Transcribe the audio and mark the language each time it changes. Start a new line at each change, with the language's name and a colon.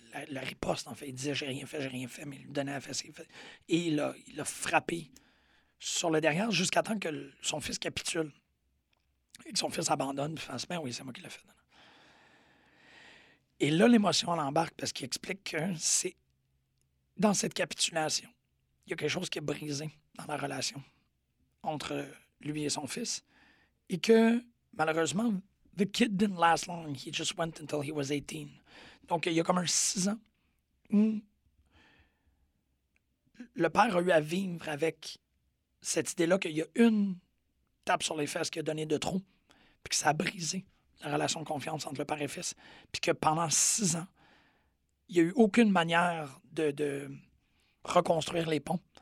French: la riposte, en fait. Il disait, j'ai rien fait, mais il lui donnait la fessée. Et il a frappé sur le derrière jusqu'à temps que son fils capitule. Et que son fils abandonne, puis fasse, mais oui, c'est moi qui l'ai fait. Et là, l'émotion l'embarque parce qu'il explique que c'est dans cette capitulation, il y a quelque chose qui est brisé dans la relation entre lui et son fils. Et que, malheureusement,
English: the kid didn't last long. He just went until he was 18.
French: Donc, il y a comme un 6 ans où le père a eu à vivre avec cette idée-là qu'il y a une tape sur les fesses qui a donné de trop, puis que ça a brisé la relation de confiance entre le père et fils, puis que pendant 6 ans, il n'y a eu aucune manière de reconstruire les ponts.